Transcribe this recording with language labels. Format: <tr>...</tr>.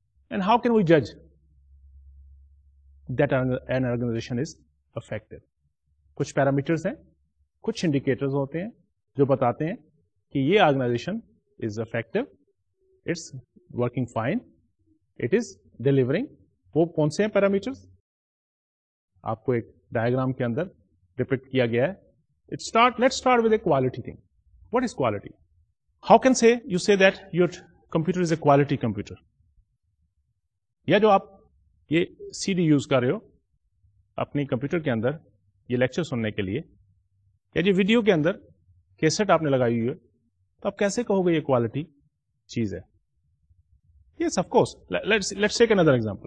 <en>And how can we جج that N organization is effective?</en> <ur>کچھ parameters ہیں, کچھ انڈیکیٹرز ہوتے ہیں جو بتاتے ہیں کہ یہ</ur> <en>Organisation is effective, it's working fine, it is delivering.</en> <ur>وہ کون سے ہیں پیرامیٹرس؟ آپ کو ایک ڈائگرام کے اندر ڈپکٹ کیا گیا ہے.</ur> <en>Let's start with a quality thing. What is quality? How can say you say that your computer is a quality computer?</en> <ur>یا جو آپ یہ سی ڈی یوز کر رہے ہو اپنی کمپیوٹر کے اندر یہ لیکچر سننے کے لیے, یا جو ویڈیو کے اندر کیسٹ آپ نے لگائی ہوئی ہے, تو آپ کیسے کہو گے یہ کوالٹی چیز ہے؟</ur> <en>Yes of course. Let's take another example.</en>